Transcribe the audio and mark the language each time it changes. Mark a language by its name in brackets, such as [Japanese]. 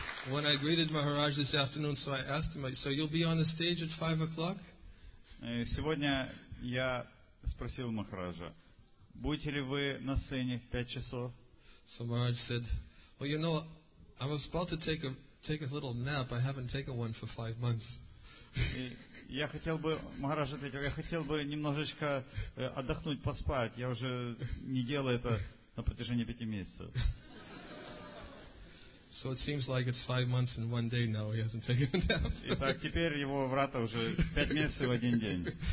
[English] When I greeted Maharaj this afternoon, so I asked him, so you'll be on the stage at 5 o'clock? [Russian] Сегодня я спросил Махараджа, будете ли вы на сцене в 5 часов? [English] So Maharaj said, well, you know, I was about to take a little nap. I haven't taken one for 5 months. [Russian] Я хотел бы, Махарадж ответил, я хотел бы немножечко отдохнуть, поспать. Я уже не делаю это на протяжении 5 месяцев. [English] So it seems like it's 5 months and 1 day now he hasn't taken a nap. [Russian] Итак, теперь его врата уже 5 месяцев в один день.